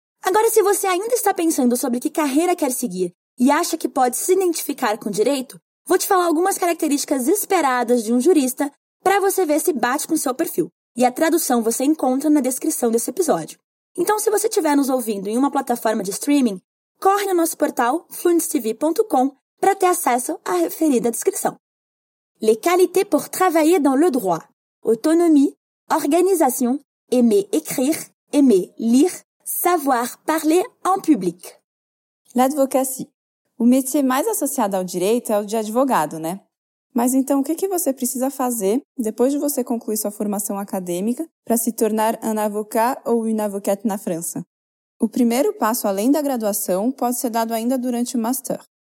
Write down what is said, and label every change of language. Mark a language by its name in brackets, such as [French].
[Portuguese] Agora, se você ainda está pensando sobre que carreira quer seguir e acha que pode se identificar com direito, vou te falar algumas características esperadas de um jurista para você ver se bate com o seu perfil. E a tradução você encontra na descrição desse episódio. Então, se você estiver nos ouvindo em uma plataforma de streaming, corre no nosso portal fluentstv.com para ter acesso à referida descrição. [French] Les qualités pour travailler dans le droit. Autonomie, organisation, aimer écrire, aimer lire, savoir parler en public. L'advocacy. [Portuguese] O métier mais associado ao direito é o de advogado, né? Mas então, o que você precisa fazer depois de você concluir sua formação acadêmica para se tornar [French] un avocat ou une avocate [Portuguese] na França? O primeiro passo, além da graduação, pode ser dado ainda durante o master.